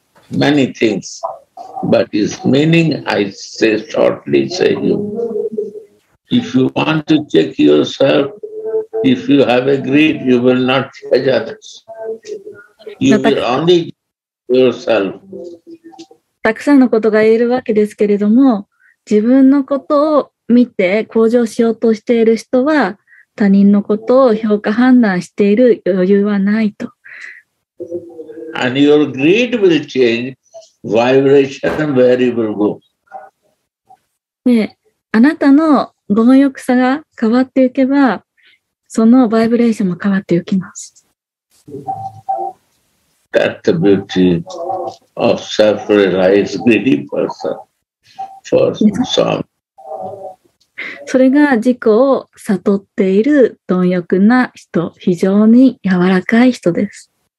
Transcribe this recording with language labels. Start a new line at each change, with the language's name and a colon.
English: Many things, but his meaning I say shortly say you. If you want to check yourselfIf you have a greed, you will not judge others. You will only judge yourself.
Japanese: たくさんのことが言えるわけですけれども、自分のことを見て向上しようとしている人は、他人のことを評価判断している余裕はないと。
English: And your greed will change vibration where you will go.
Japanese: ね、あなたの貪欲さが変わっていけば、そのバイブレーションも変わっていきます。
English: That's the beauty of self-realized greedy person for some.
Japanese: それが自己を悟っている貪欲な人、非常に柔らかい人です。